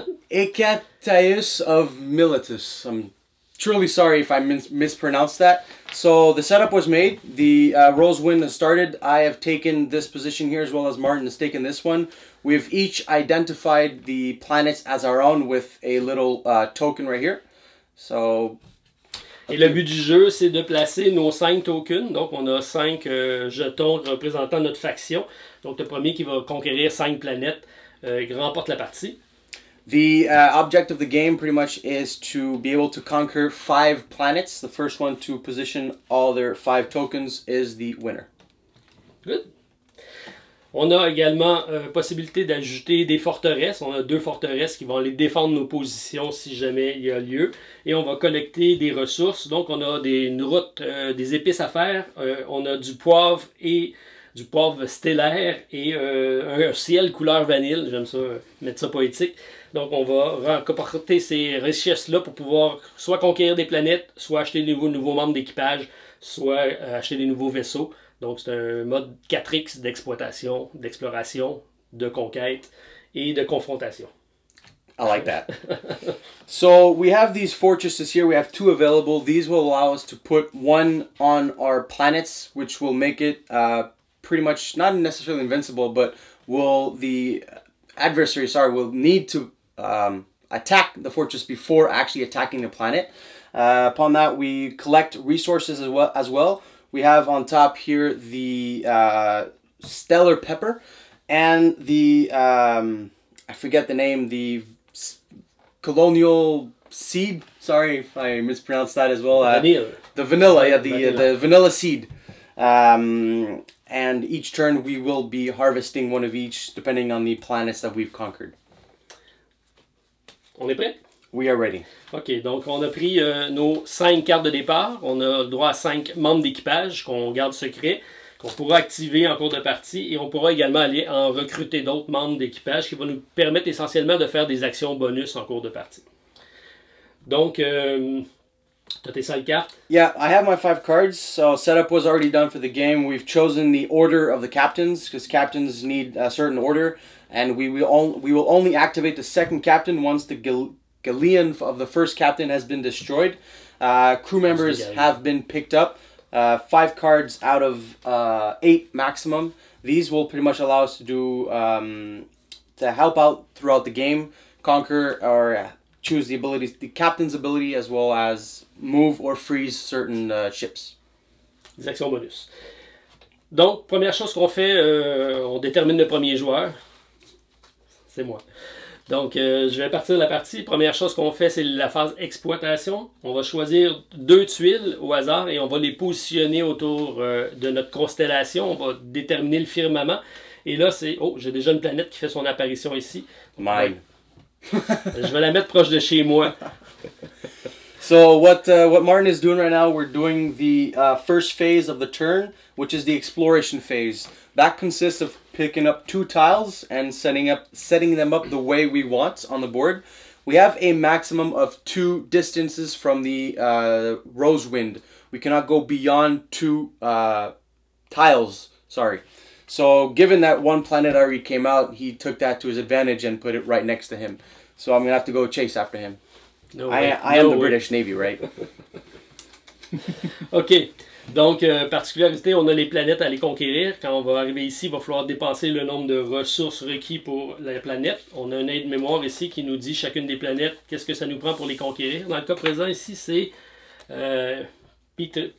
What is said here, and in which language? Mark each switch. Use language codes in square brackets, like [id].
[en] Ecataeus of Miletus. I'm truly sorry if I mispronounced that. So the setup was made. The rose wind has started. I have taken this position here as well as Martin has taken this one. We've each identified the planets as our own with a little token right here. So... [fr] Et le but du jeu, c'est de placer nos 5 tokens. Donc, on a 5 jetons représentant notre faction. Donc, le premier qui va conquérir 5 planètes remporte la partie. [en] The object of the game, pretty much, is to be able to conquer 5 planets. The first one to position all their 5 tokens is the winner. Good. [fr] On a également possibilité d'ajouter des forteresses. On a 2 forteresses qui vont aller défendre nos positions si jamais il y a lieu. Et on va collecter des ressources. Donc, on a des épices à faire. On a du poivre stellaire et un ciel couleur vanille. J'aime ça, mettre ça poétique. Donc, on va remporter ces richesses-là pour pouvoir soit conquérir des planètes, soit acheter de nouveaux membres d'équipage, soit acheter des nouveaux vaisseaux. Donc, c'est un mode 4X d'exploitation, d'exploration, de conquête et de confrontation. [en] I like that. So, we have these fortresses here. We have 2 available. These will allow us to put 1 on our planets, which will make it pretty much not necessarily invincible, but will the adversary, sorry, will need to attack the fortress before actually attacking the planet. Upon that, we collect resources as well. We have on top here the stellar pepper and the, I forget the name, the colonial seed. Sorry if I mispronounced that as well. The vanilla seed. And each turn we will be harvesting one of each depending on the planets that we've conquered. [fr] On est prêt? [en] We are ready. [fr] OK, donc on a pris nos 5 cartes de départ. On a le droit à 5 membres d'équipage qu'on garde secret, qu'on pourra activer en cours de partie et on pourra également aller en recruter d'autres membres d'équipage qui vont nous permettre essentiellement de faire des actions bonus en cours de partie. Donc, tu as tes 5 cartes? [en] Yeah, I have my 5 cards. So, setup was already done for the game. We've chosen the order of the captains because captains need a certain order and we will only activate the second captain once the Galleon of the first captain has been destroyed. Crew members have been picked up. 5 cards out of 8 maximum. These will pretty much allow us to do to help out throughout the game, conquer or choose the abilities, the captain's ability, as well as move or freeze certain ships. [fr] Des actions bonus. Donc, première chose qu'on fait, on détermine le premier joueur. C'est moi. Donc, je vais partir de la partie. Première chose qu'on fait, c'est la phase exploitation. On va choisir 2 tuiles au hasard et on va les positionner autour de notre constellation. On va déterminer le firmament. Et là, c'est... Oh, j'ai déjà une planète qui fait son apparition ici. Mine. Ouais. Je vais la mettre proche de chez moi. [en] So, what Martin is doing right now, we're doing the first phase of the turn, which is the exploration phase. That consists of picking up 2 tiles and setting them up the way we want on the board. We have a maximum of 2 distances from the rose wind. We cannot go beyond 2 tiles, sorry. So given that one planet already came out, he took that to his advantage and put it right next to him. So I'm gonna have to go chase after him. No way. I am the British Navy, right? OK. [fr] Donc, particularité, on a les planètes à les conquérir. Quand on va arriver ici, il va falloir dépasser le nombre de ressources requis pour la planète. On a un aide-mémoire ici qui nous dit chacune des planètes, qu'est-ce que ça nous prend pour les conquérir. Dans le cas présent ici, c'est Pythrias?